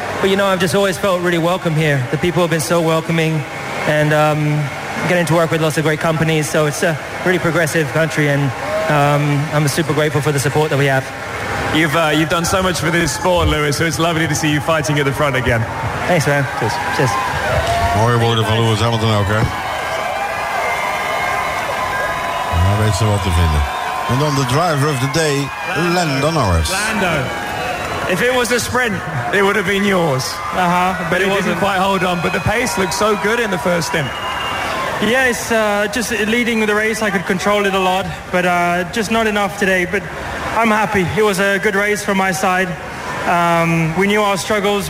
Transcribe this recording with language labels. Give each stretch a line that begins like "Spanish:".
English: But you know, I've just always felt really welcome here. The people have been so welcoming, and getting to work with lots of great companies. So it's a really progressive country, and I'm super grateful for the support that we have. You've done so much for this sport, Lewis, so it's lovely to see you fighting at the front again. Thanks, man. Cheers. Cheers.
Dutch: Mooie woorden van Lewis Hamilton ook, hè. Hij weet ze wat te vinden. En dan de driver of the day, Lando Norris.
English: Lando. If it was a sprint, it would have been yours. Uh-huh. But it wasn't quite hold on. But the pace looked so good in the first stint. Yeah, it's just leading the race. I could control it a lot. But just not enough today. But I'm happy. It was a good race from my side. We knew our struggles.